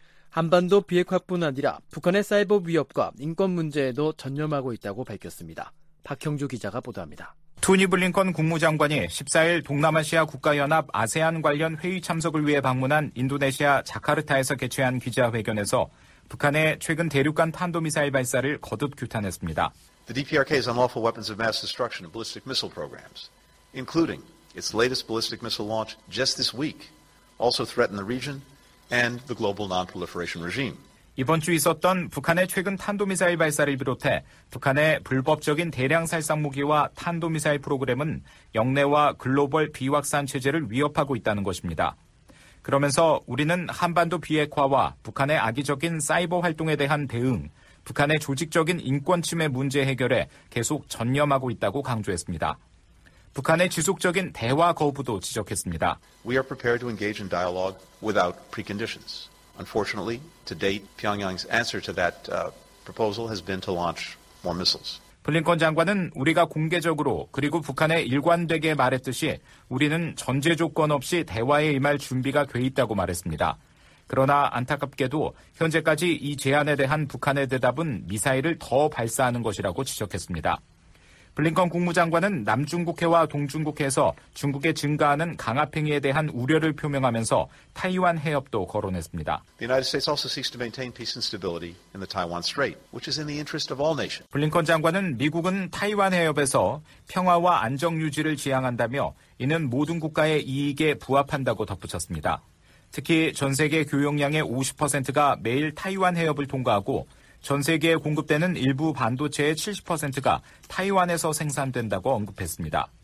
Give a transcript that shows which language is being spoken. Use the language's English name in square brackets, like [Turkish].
[Korean] 한반도 비핵화뿐 아니라 북한의 사이버 위협과 인권 문제에도 전념하고 있다고 밝혔습니다. 박형주 기자가 보도합니다. 토니 블링컨 국무장관이 14일 동남아시아 국가연합 아세안 관련 회의 참석을 위해 방문한 인도네시아 자카르타에서 개최한 기자회견에서 북한의 최근 대륙간 탄도미사일 발사를 거듭 규탄했습니다. [English] The DPRK has unlawful weapons of mass destruction and ballistic missile programs, including its latest ballistic missile launch just this week, also threaten the region and the global non-proliferation regime. [Korean] 이번 주 있었던 북한의 최근 탄도미사일 발사를 비롯해 북한의 불법적인 대량 살상 무기와 탄도미사일 프로그램은 영내와 글로벌 비확산 체제를 위협하고 있다는 것입니다. 그러면서 우리는 한반도 비핵화와 북한의 악의적인 사이버 활동에 대한 대응, 북한의 조직적인 인권 침해 문제 해결에 계속 전념하고 있다고 강조했습니다. 북한의 지속적인 대화 거부도 지적했습니다. [English] We are prepared to engage in dialogue without preconditions. Unfortunately, to date, Pyongyang's answer to that proposal has been to launch more missiles. [Korean] 블링컨 장관은 우리가 공개적으로 그리고 북한에 일관되게 말했듯이 우리는 전제 조건 없이 대화에 임할 준비가 돼 있다고 말했습니다. 그러나 안타깝게도 현재까지 이 제안에 대한 북한의 대답은 미사일을 더 발사하는 것이라고 지적했습니다. 블링컨 국무장관은 남중국해와 동중국해에서 중국의 증가하는 강압 행위에 대한 우려를 표명하면서 타이완 해협도 거론했습니다. [English] The United States also seeks to maintain peace and stability in the Taiwan Strait, which is in the interest of all nations. [Korean] 블링컨 장관은 미국은 타이완 해협에서 평화와 안정 유지를 지향한다며 이는 모든 국가의 이익에 부합한다고 덧붙였습니다. 특히 전 세계 교역량의 50%가 매일 타이완 해협을 통과하고 전 세계에 공급되는 일부 반도체의 70%가 타이완에서 생산된다고 언급했습니다.